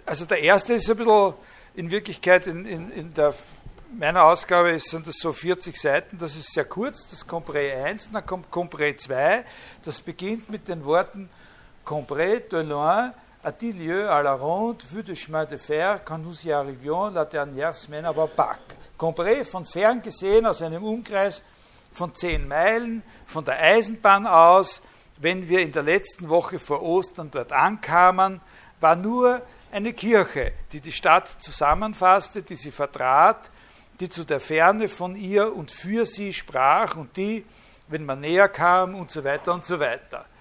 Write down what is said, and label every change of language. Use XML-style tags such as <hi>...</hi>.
<de>Der erste ist ein bisschen in Wirklichkeit in der meiner Ausgabe sind das so 40 Seiten. Das ist sehr kurz. Das ist Combré 1. Dann kommt Combré 2.</de> <fr>Das beginnt mit den Worten Combré, de loin, a-t-il lieu à la ronde, vu de chemin de fer, quand nous y arrivions la dernière semaine,</fr> <de>aber back. Combré, von fern gesehen, aus einem Umkreis von 10 Meilen, von der Eisenbahn aus, wenn wir in der letzten Woche vor Ostern dort ankamen, war nur eine Kirche, die die Stadt zusammenfasste, die sie vertrat, die zu der Ferne von ihr und für sie sprach und die, wenn man näher kam und so weiter und so weiter.</de>